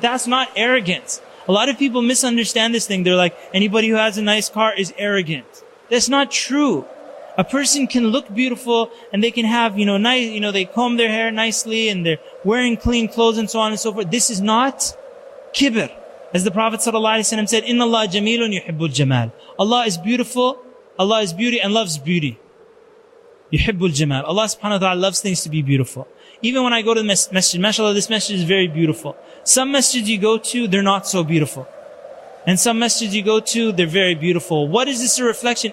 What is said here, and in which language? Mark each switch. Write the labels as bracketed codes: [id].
[en] That's not arrogance. A lot of people misunderstand this thing. They're like, anybody who has a nice car is arrogant. That's not true. A person can look beautiful and they can have, you know, nice, you know, they comb their hair nicely and they're wearing clean clothes and so on and so forth. This is not kibir. As the Prophet ﷺ said, [ar] إِنَّ اللَّهَ جَمِيلٌ يُحِبُّ الْجَمَالِ. [en] Allah is beautiful, Allah is beauty and loves beauty. [ar] يُحِبُّ الْجَمَالِ. [en] Allah subhanahu wa ta'ala loves things to be beautiful. Even when I go to the masjid, mashallah, this masjid is very beautiful. Some masjids you go to, they're not so beautiful. And some masjids you go to, they're very beautiful. What is this a reflection?